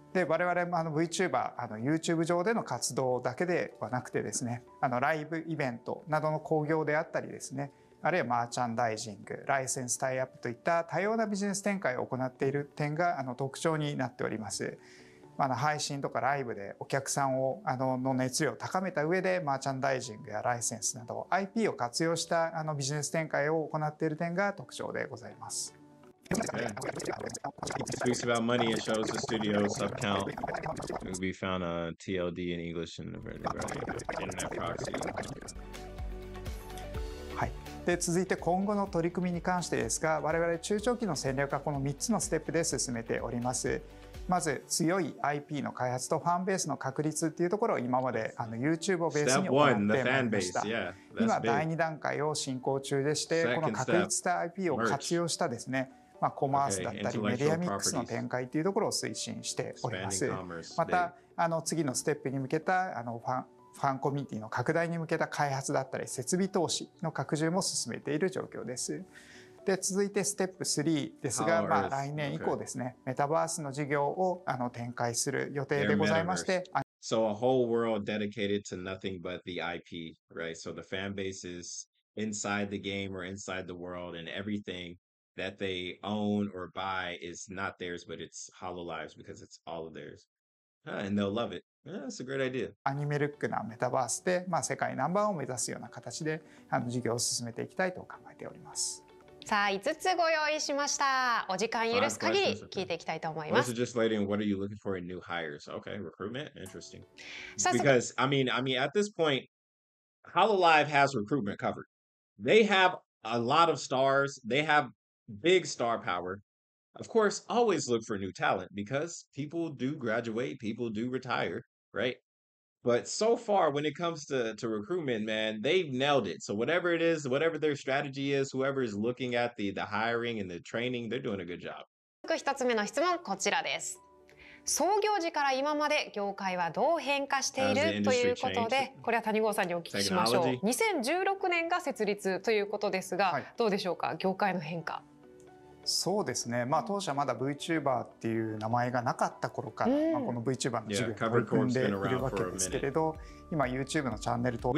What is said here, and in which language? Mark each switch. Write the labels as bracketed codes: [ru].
[ja] で、我々も VTuber、YouTube 上での活動だけではなくてですね、ライブイベントなどの興行であったりですね、あるいはマーチャンダイジング、ライセンスタイアップといった多様なビジネス展開を行っている点が特徴になっております。配信とかライブでお客さんをの熱量を高めた上で、マーチャンダイジングやライセンスなど IP を活用したビジネス展開を行っている点が特徴でございます。 [en] Yeah. He speaks about money and shows the studio subcount. We found a TLD in English and internet proxy. [ja] はい。で、続いて今後の取り組みに関してですが、我々中長期の戦略はこの3つのステップで進めております。まず強い IP の開発とファンベースの確立っていうところを今まで YouTube をベースに行ってまいりました。 [en] yeah, [ja] 今第2段階を進行中でして、この確立した IP を活用したですね、コマースだったりメディアミックスの展開というところを推進しております。また次のステップに向けたファンコミュニティの拡大に向けた開発だったり設備投資の拡充も進めている状況です。で、続いてステップ3ですが、来年以降ですね、メタバースの事業を展開する予定でございまして。 [en] So a whole world dedicated to nothing but the IP, right? So the fan base is inside the game or inside the world and everythingthat they own or buy is not theirs, but it's Hololive's because it's all of theirs. And they'll love it. That's a great idea. [ja] アニメルックなメタバースで、世界ナンバーを目指すような形で事業を進めていきたいと考えております。さあ、5つご用意しました。お時間許す限り聞いていきたいと思います。 [en] Let's just lay down, what are you looking for in new hires? Okay, recruitment? Interesting. Because, I mean, at this point, Hololive has recruitment covered. They have a lot of stars. They have... Big star power. Of course, always look for new talent because people do graduate, people do retire, right? But so far, when it comes to recruitment, man, they've nailed it. So whatever it is, whatever their strategy is, whoever is looking at the hiring and the training, they're doing a good job. [ja] 一つ目の質問、こちらです。創業時から今まで業界はどう変化しているということで、これは谷郷さんにお聞きしましょう。 2016年が設立ということですが、はい、どうでしょうか、業界の変化。そうですね、当社まだ VTuber っていう名前がなかった頃から、この VTuber の事業を取り組んでいるわけですけれど、今 YouTube のチャンネル登